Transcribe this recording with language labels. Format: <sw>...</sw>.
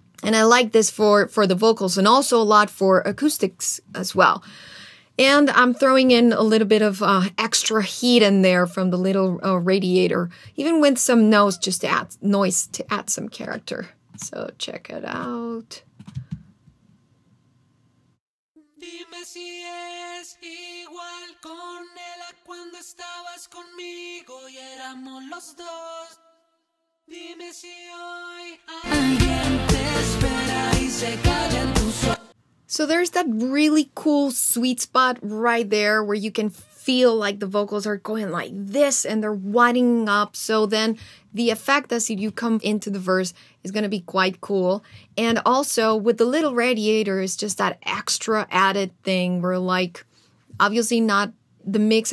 <en>And I like this for the vocals and also a lot for acoustics as well. And I'm throwing in a little bit of extra heat in there from the little radiator, even with some noise, just to add noise to add some character. So check it out.</en> <es>Dime si es igual con él cuando estabas conmigo y éramos los dos. Dime si hoy alguien te espera y se calla en tu sol.</es> <en>So there's that really cool sweet spot right there where you can feel like the vocals are going like this and they're widening up. So then the effect as you come into the verse is going to be quite cool. And also with the little radiator, it's just that extra added thing where, like, obviously not the mix.</en>